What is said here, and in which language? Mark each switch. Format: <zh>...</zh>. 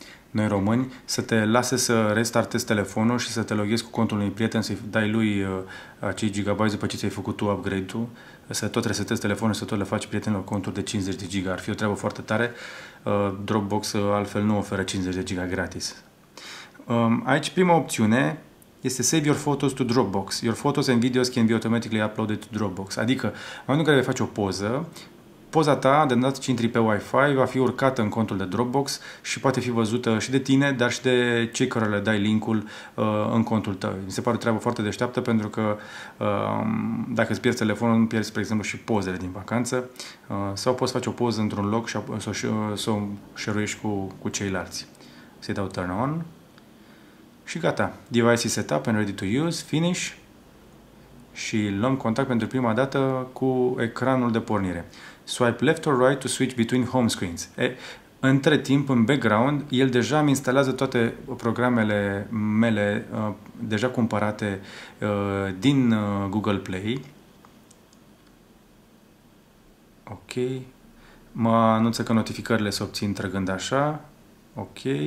<ro>noi români, să te lase să restartezi telefonul și să te loghezi cu contul unui prieten, să-i dai lui acei gigabyte după ce ți-ai făcut tu upgrade-ul, să tot resetezi telefonul și să tot le faci prietenilor conturi de 50 de giga. Ar fi o treabă foarte tare. Dropbox altfel nu oferă 50 de giga gratis. Aici prima opțiune este</ro> <en>Save your photos to Dropbox. Your photos and videos can be automatically uploaded to Dropbox.</en> <ro>Adică, în momentul în care vei face o poză, poza ta, de îndată ce intri pe Wi-Fi, va fi urcată în contul de Dropbox și poate fi văzută și de tine, dar și de cei care le dai link-ul în contul tău. Mi se pare o treabă foarte deșteaptă pentru că dacă îți pierzi telefonul, nu pierzi, spre exemplu, și pozele din vacanță sau poți face o poză într-un loc și să o share-uiești cu ceilalți. Să-i dau turn on și gata.</ro> <en>Device is set up and ready to use. Finish.</en> <ro>Și luăm contact pentru prima dată cu ecranul de pornire.</ro> <en>Swipe left or right to switch between home screens.</en> <ro>Între timp, în background, el deja îmi instalează toate programele mele deja cumpărate din Google Play. Ok. Mă anunță că notificările se obțin trăgând așa. Ok.</ro>